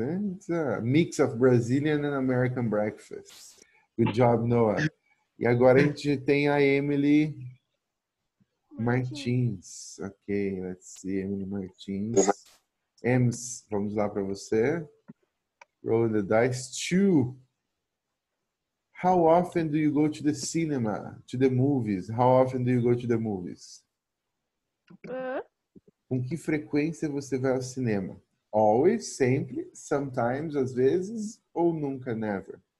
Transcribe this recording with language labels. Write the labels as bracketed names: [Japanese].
[English] It's a mix of Brazilian and American breakfast. Good job, Noah. [Portuguese] E agora a gente tem a Emily Martins. [English] Okay, let's see. Emily Martins. Ems, [Portuguese] vamos lá para você. [English] Rolling the dice. Two. How often do you go to the cinema? To the movies? How often do you go to the movies? [Portuguese] Com que frequência você vai ao cinema? Always, sempre, sometimes, às vezes, ou nunca, never?